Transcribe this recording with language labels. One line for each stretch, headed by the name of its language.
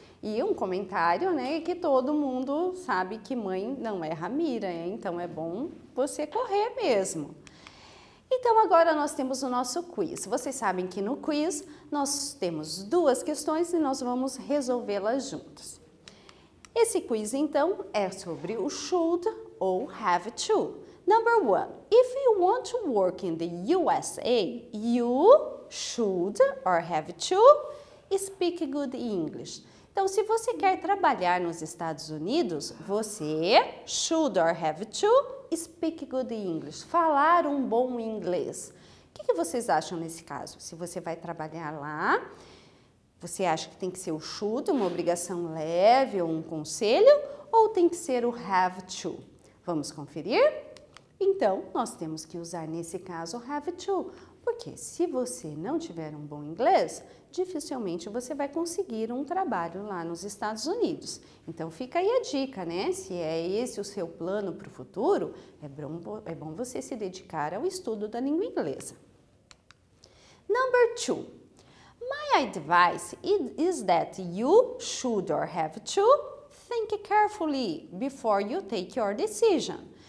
Portuguese: E um comentário, né, que todo mundo sabe que mãe não erra mira, hein? Então é bom você correr mesmo. Então agora nós temos o nosso quiz. Vocês sabem que no quiz nós temos duas questões e nós vamos resolvê-las juntos. Esse quiz então é sobre o should ou have to.
English: Number one, if you want to work in the USA, you should or have to speak good English.
Portuguese: Então, se você quer trabalhar nos Estados Unidos, você
English: should or have to speak good English.
Portuguese: Falar um bom inglês. O que vocês acham nesse caso? Se você vai trabalhar lá, você acha que tem que ser o should, uma obrigação leve ou um conselho, ou tem que ser o have to? Vamos conferir? Então, nós temos que usar nesse caso have to, porque se você não tiver um bom inglês, dificilmente você vai conseguir um trabalho lá nos Estados Unidos. Então, fica aí a dica, né? Se é esse o seu plano para o futuro, é bom você se dedicar ao estudo da língua inglesa.
English: Number two. My advice is that you should or have to think carefully before you take your decision.